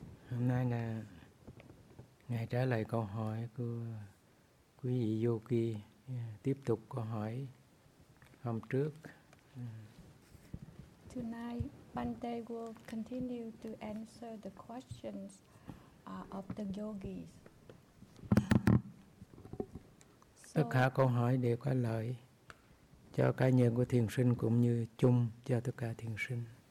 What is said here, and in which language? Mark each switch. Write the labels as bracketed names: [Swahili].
[Vietnamese] Hôm nay là ngày trả lời câu hỏi của quý vị Yogi, tiếp tục câu hỏi hôm trước. [English] Tonight, Bhante will continue to answer the questions of the yogis. [Vietnamese] Tất cả câu hỏi đều có lợi cho cá nhân của thiền sinh cũng như chung cho tất cả thiền sinh.